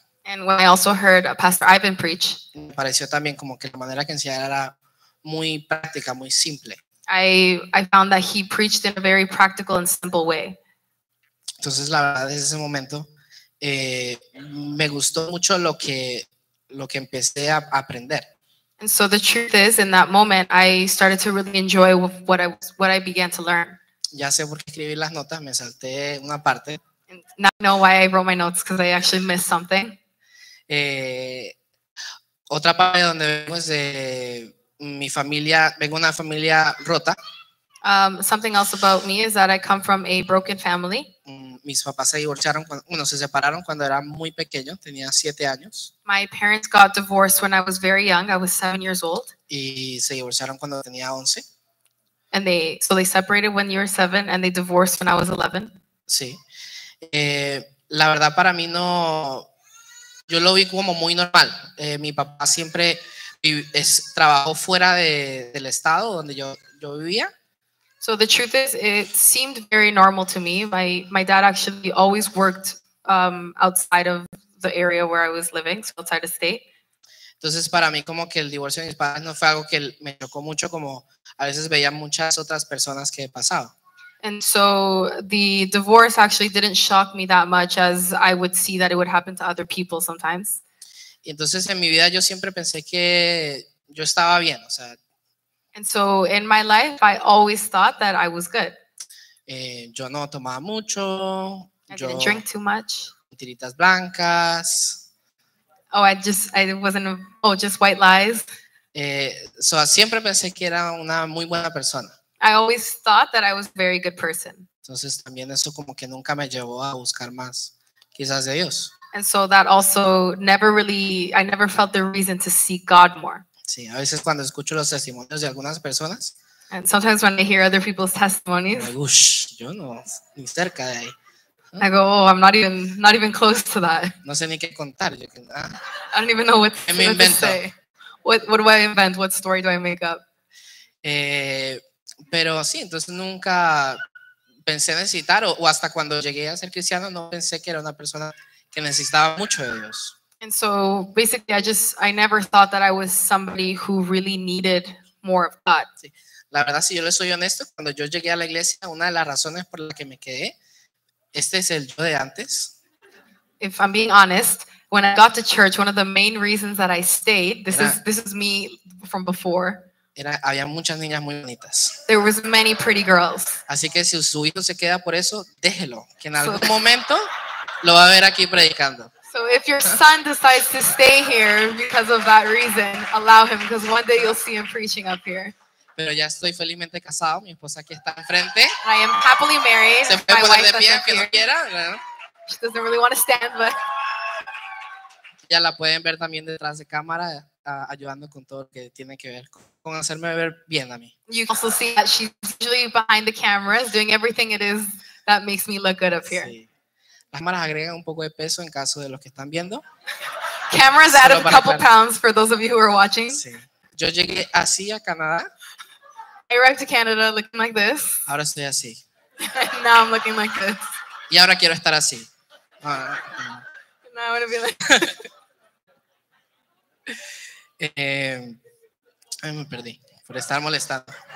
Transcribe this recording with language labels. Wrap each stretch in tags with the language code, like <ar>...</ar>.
<en>And when I also heard Pastor Ivan preach.</en> <es>Me pareció también como que la manera que enseñaba era muy práctica, muy simple.</es> <en>I found that he preached in a very practical and simple way.</en> <es>Entonces la verdad desde ese momento me gustó mucho lo que empecé a aprender.</es> <en>And so the truth is, in that moment, I started to really enjoy what I began to learn.</en> <es>Ya sé por qué escribí las notas, me salté una parte.</es> <en>And now I know why I wrote my notes, because I actually missed something.</en> <es>Otra parte donde vengo es de mi familia, vengo de una familia rota.</es> <en>Something else about me is that I come from a broken family.</en> <es>Mis papás se divorciaron, se separaron cuando era muy pequeño, tenía 7 años.</es> <en>My parents got divorced when I was very young, I was 7 years old.</en> <es>Y se divorciaron cuando tenía 11.</es> <en>And they separated when you were 7 and they divorced when I was 11.</en> <es>Sí. La verdad para mí no, yo lo vi como muy normal. Mi papá siempre trabajó fuera del estado donde yo vivía.</es> <en>So the truth is, it seemed very normal to me. My dad actually always worked outside of the area where I was living, so outside of state.</en> <es>Entonces para mí como que el divorcio de mis padres no fue algo que me chocó mucho como a veces veía muchas otras personas que he pasado.</es> <en>And so the divorce actually didn't shock me that much as I would see that it would happen to other people sometimes.</en> <es>Y entonces en mi vida yo siempre pensé que yo estaba bien, o sea.</es> <en>And so in my life I always thought that I was good.</en> <es>Yo no tomaba mucho.</es> <en>I didn't drink too much.</en> <es>Tiritas blancas.</es> <en>Oh, just white lies.</en> <es>So siempre pensé que era una muy buena persona.</es> <en>I always thought that I was a very good person.</en> <es>Entonces también eso como que nunca me llevó a buscar más, quizás de Dios.</es> <en>And so that also never really, I never felt the reason to seek God more.</en> <es>Sí, a veces cuando escucho los testimonios de algunas personas.</es> <en>And sometimes when I hear other people's testimonies.</en> <es>Yo no, ni cerca de ahí.</es> <en>I go, oh, I'm not even close to that.</en> <es>No sé ni qué contar.</es> <en>I don't even know what to say. What do I invent? What story do I make up?</en> <es>Pero sí, entonces nunca pensé necesitar, o hasta cuando llegué a ser cristiano, no pensé que era una persona que necesitaba mucho de Dios.</es> <en>And so, basically, I never thought that I was somebody who really needed more of God.</en> <es>Sí. La verdad, si yo le soy honesto, cuando yo llegué a la iglesia, una de las razones por las que me quedé, este es el yo de antes.</es> <en>If I'm being honest, when I got to church, one of the main reasons that I stayed, this is me from before.</en> <es>Había muchas niñas muy bonitas.</es> <en>There was many pretty girls.</en> <es>Así que si su hijo se queda por eso, déjelo, que en algún momento lo va a ver aquí predicando.</es> <en>So if your son decides to stay here because of that reason, allow him, because one day you'll see him preaching up here.</en> <es>Pero ya estoy felizmente casado, mi esposa aquí está enfrente.</es> <en>I am happily married.</en> <es>Se puede poner de pie aunque no quiera.</es> <en>She doesn't really want to stand, but.</en> <es>Ya la pueden ver también detrás de cámara, ayudando con todo lo que tiene que ver con hacerme ver bien a mí.</es> <en>You can also see that she's usually behind the cameras, doing everything it is that makes me look good up here. Sí.</en> <es>Las cámaras agregan un poco de peso en caso de los que están viendo.</es> <en>Cameras add a couple pounds for those of you who are watching.</en> <es>Sí. Yo llegué así a Canadá.</es> <en>I arrived to Canada looking like this.</en> <es>Ahora estoy así.</es> <en>Now I'm looking like this.</en> <es>Y ahora quiero estar así.</es> <en>Now I want to be like</en> <es>ay, me perdí por estar molestando.</es>